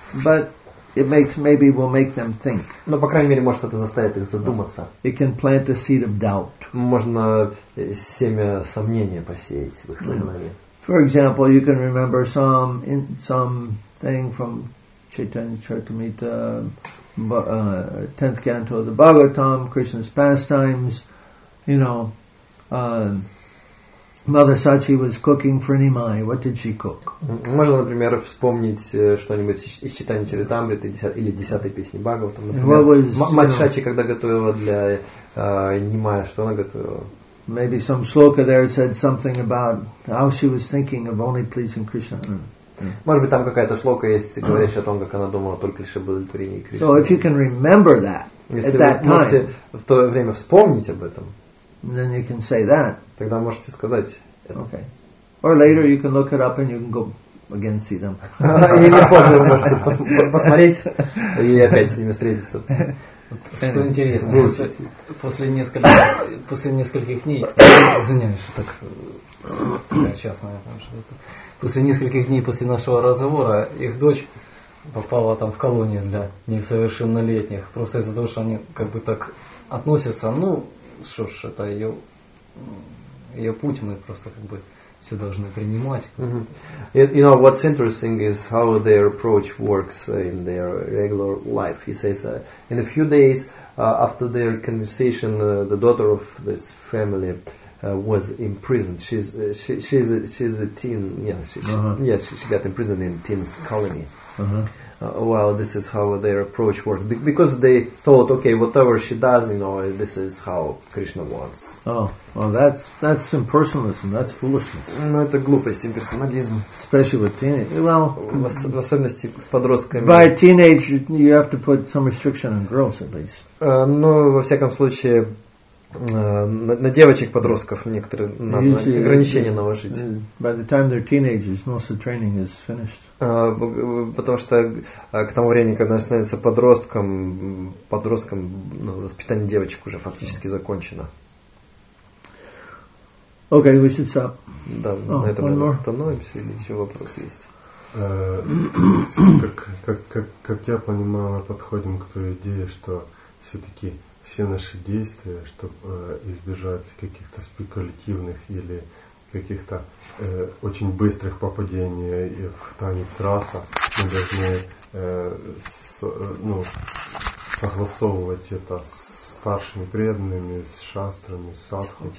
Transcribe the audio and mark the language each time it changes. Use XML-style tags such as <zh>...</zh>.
<en>But it makes maybe will make them think.</en> <ru>Но по крайней мере может это заставит их задуматься.</ru> <en>It can plant a seed of doubt.</en> <ru>Можно семя сомнения посеять в их сознании.</ru> <en>For example, you can remember something from Chaitanya Charitamrita, 10th canto of the Bhagavatam, Krishna's pastimes. You know, Mother Sachi was cooking for Nimai. What did she cook?</en> <ru>Можно, например, вспомнить что-нибудь из Чайтанья Чаритамриты или десятой песни Бхагаватам. Мать Сачи, когда готовила для Нимая, что она готовила?</ru> <en>Maybe some shloka there said something about how she was thinking of only pleasing Krishna.</en> <ru>Может быть, там какая-то шлока есть, говорящая о том, как она думала только лишь об удовлетворении Кришны.</ru> <en>So if you can remember that at that time,</en> <ru>если вы можете в то время вспомнить об этом,</ru> <en>then you can say that.</en> <ru>Тогда можете сказать это.</ru> <en>Okay. Or later you can look it up and you can go again see them.</en> <ru>Или позже можете посмотреть и опять с ними встретиться. Что интересно, после нескольких дней, извиняюсь, так честно, после нескольких дней после нашего разговора их дочь попала там в колонию для несовершеннолетних, просто из-за того, что они как бы так относятся, ну что ж, это ее путь, мы просто как бы все должны принимать. Mm-hmm.</ru> <en>You know, what's interesting is how their approach works in their regular life. He says, in a few days after their conversation, the daughter of this family was imprisoned. She got imprisoned in teen's colony. Uh-huh. Well, this is how their approach works. Because they thought, okay, whatever she does, you know, this is how Krishna wants. Oh, well, that's impersonalism, that's foolishness. No,</en> <ru>это глупость, имперсонализм.</ru> <en>Especially with teenagers. Well,</en> <ru>в особенности с подростками.</ru> <en>By teenage, you have to put some restriction on girls, at least.</en> <ru>Ну, во всяком случае, на девочек-подростков некоторые надо ограничения наложить.</ru> <en>By the time they're teenagers, most of the training is finished.</en> <ru>Потому что к тому времени, когда становится подростком, ну, воспитание девочек уже фактически закончено.</ru> <en>Okay, we should stop.</en> <ru>Да, на этом мы остановимся, или еще вопрос есть? Как я понимаю, мы подходим к той идее, что все-таки все наши действия, чтобы избежать каких-то спекулятивных или каких-то очень быстрых попадений в танец раса, мы должны согласовывать это с старшими преданными, с шастрами, с садху.</ru>